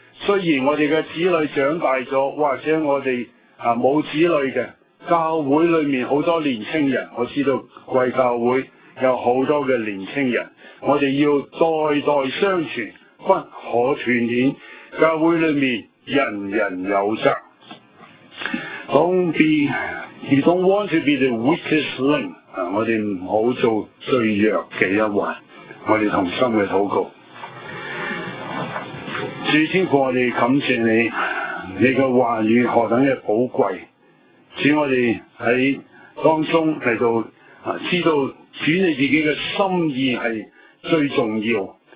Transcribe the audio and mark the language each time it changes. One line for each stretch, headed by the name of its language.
Chinese: 虽然我们的子女长大了，或者我们、没有子女的教会里面很多年轻人，我知道贵教会有很多的年轻人，我们要代代相传，不可断念，教会里面人人有责。
English: You don't want to be the weakest link.
Chinese: 我们不要做最弱的一环，我们同心的祷告。主天父，我们感谢你，你的话语何等的宝贵。主，我们在当中来到知道主你自己的心意是最重要。